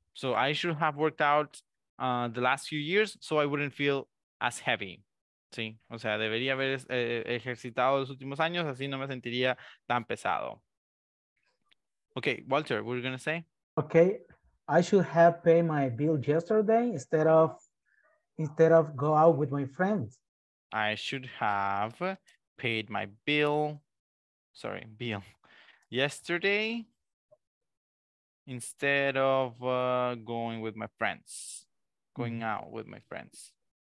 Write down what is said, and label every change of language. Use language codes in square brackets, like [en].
[en] So I should have worked out the last few years so I wouldn't feel as heavy. [es] Sí, o sea, debería haber ejercitado los últimos años, así no me sentiría tan pesado. [en] Okay, Walter, what are you going to say? Okay, I should have paid my bill yesterday instead of go out with my friends. I should have paid my bill, yesterday instead of going out with my friends.